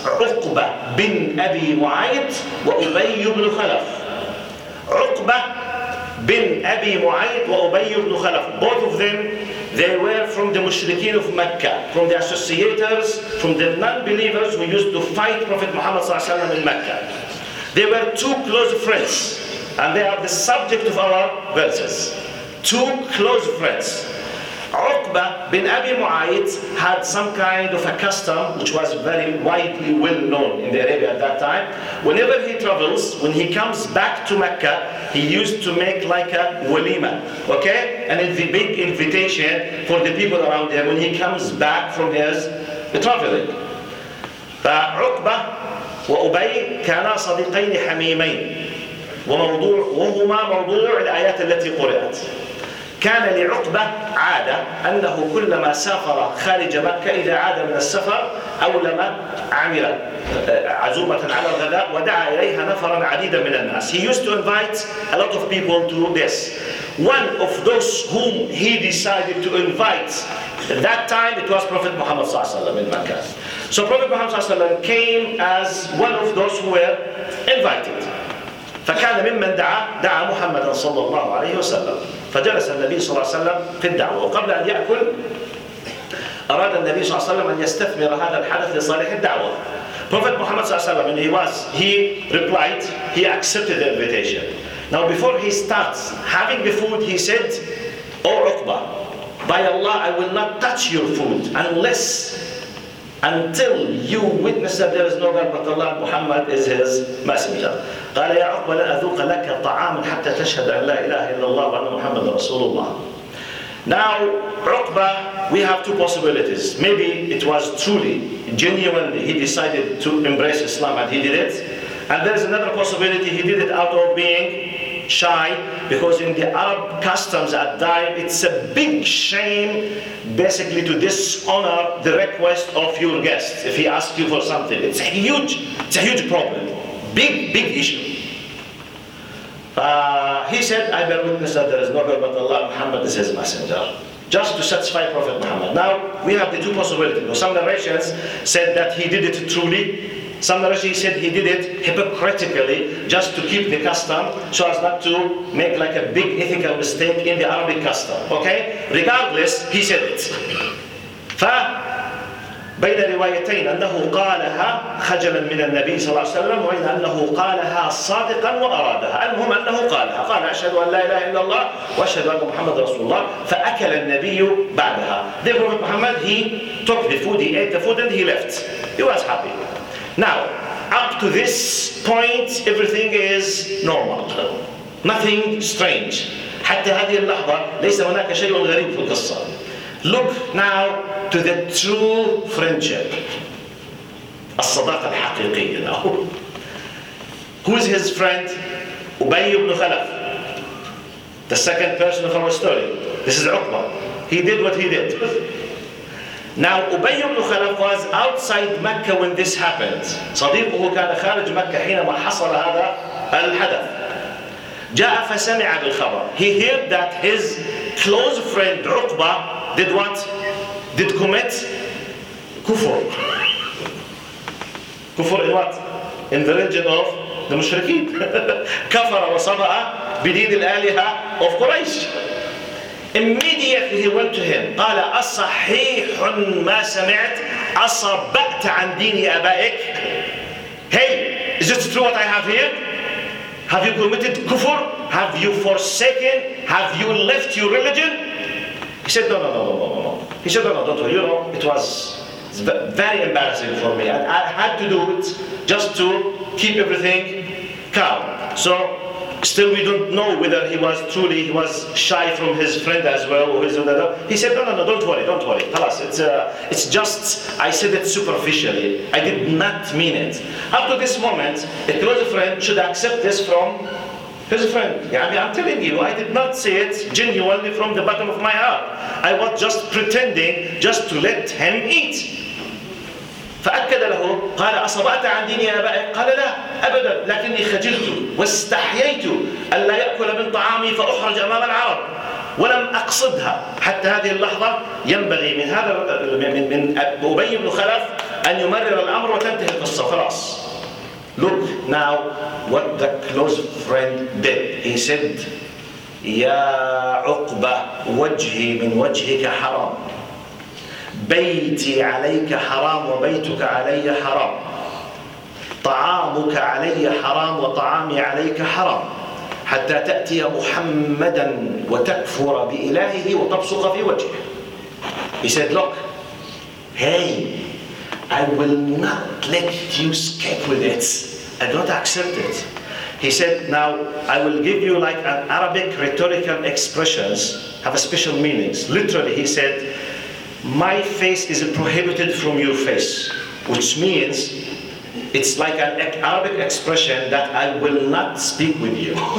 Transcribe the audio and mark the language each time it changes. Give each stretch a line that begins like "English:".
Arabic: عقبة بن أبي معيط وأبي بن خلف. عقبة بن أبي معيط وأبي بن خلف.
English: Both of them, they were from the mushrikeen of Mecca, from the associators, from the non-believers who used to fight Prophet Muhammad sallallahu alaihi wasallam in Mecca. They were two close friends, and they are the subject of our verses. Two close friends. Uqba bin Abi Mu'ayt had some kind of a custom which was very widely well known in the Arabia at that time. Whenever he travels, when he comes back to Mecca, he used to make like a walima, okay? And it's a big invitation for the people around him when he comes back from his traveling.
Arabic: فعقبة وأبي كانا صديقين حميمين وموضوع وهما موضوع الآيات التي قرأت. كان لعقبة عادة أنه كلما سافر خارج مكة إذا عاد من السفر أولم عمل عزومة على الغداء ودعا إليها نفرا عديدا من الناس.
English: He used to invite a lot of people to this. One of those whom he decided to invite at that time, it was Prophet Muhammad صلى الله عليه وسلم in Mecca. So Prophet Muhammad صلى الله عليه وسلم came as one of those who were invited.
Arabic: فكان ممن دعا محمد صلى الله عليه وسلم. فجلس النبي صلى الله عليه وسلم في الدعوة، وقبل أن يأكل أراد النبي صلى الله عليه وسلم أن يستثمر هذا الحدث لصالح الدعوة.
English: Prophet Muhammad صلى الله عليه وسلم, when he replied, he accepted the invitation. Now before he starts having the food, he said, O Uqba, by Allah, I will not touch your food until you witness that there is no God but Allah, Muhammad is his messenger.
Arabic: قال يا عقبة لا أذوق لك الطعام حتى تشهد أن لا إله إلا الله وأن محمد رسول الله.
English: Now عقبة, we have two possibilities. Maybe it was truly, genuinely, he decided to embrace Islam and he did it. And there is another possibility, he did it out of being shy, because in the Arab customs at time, it's a big shame basically to dishonor the request of your guests if he asks you for something. It's a huge problem. Big issue. He said, I bear witness that there is no God but Allah, Muhammad is his messenger. Just to satisfy Prophet Muhammad. Now, we have the two possibilities. Some narrations said that he did it truly. Some narrations said he did it hypocritically, just to keep the custom, so as not to make like a big ethical mistake in the Arabic custom. Okay? Regardless, he said it.
Arabic: بين روايتين أنه قالها خجلا من النبي صلى الله عليه وسلم وبين أنه قالها صادقا وأرادها. المهم أنه قالها, قال أشهد أن لا إله إلا الله وأشهد أن محمد رسول الله. فأكل النبي بعدها.
English: The Prophet Muhammad, he took the food, he ate the food and he left. He was happy. Now, up to this point, everything is normal. Nothing strange.
Arabic: حتى هذه اللحظة ليس هناك شيء غريب في القصة.
English: Look now to the true friendship.
Arabic: الصداقة الحقيقية
English: now. Who is his friend? Ubay ibn Khalaf. The second person of our story. This is Uqba. He did what he did. Now, Ubay ibn Khalaf was outside Mecca when this happened.
Arabic: صديقه كان خارج مكة حينما حصل هذا الحدث. جاء فسمع بالخبر.
English: He heard that his close friend Uqba did what? Did commit kufr. Kufr in what? In the region of the mushrikeen.
Arabic: كفر وصبا بدين الآلهة
English: of Quraysh. Immediately he went to him.
Arabic: قال أصحيح ما سمعت أصبأت عن ديني أبائك.
English: Hey, is it true what I have heard? Have you committed kufr? Have you forsaken? Have you left your religion? He said no, don't worry. You know, it was very embarrassing for me. I had to do it just to keep everything calm. So still we don't know whether he was shy from his friend as well or his other. He said, no, don't worry. Tell us. It's just I said it superficially. I did not mean it. Up to this moment, a close friend should accept this from his friend. Yeah, I'm telling you, I did not say it genuinely from the bottom of my heart. I was just pretending just to let him eat.
Arabic: فأكد له قال أصبأت عن ديني أبائك قال لا أبدا لكني خجلت واستحييت ألا يأكل من طعامي فأخرج أمام العرب ولم أقصدها حتى هذه اللحظة ينبغي من هذا من أبي بن خلف أن يمرر الأمر وتنتهي القصة خلاص.
English: Look now what the close friend did. He said
Arabic: يا عقبة وجهي من وجهك حرام بيتي عليك حرام وبيتك علي حرام طعامك علي حرام وطعامي عليك حرام حتى تأتي محمدا وتكفر بإلهه وتبصق في وجهه.
English: He said, look, hey, I will not let you escape with it. I don't accept it. He said, now I will give you like an Arabic rhetorical expressions have a special meanings. Literally, he said, my face is prohibited from your face, which means it's like an Arabic expression that I will not speak with you.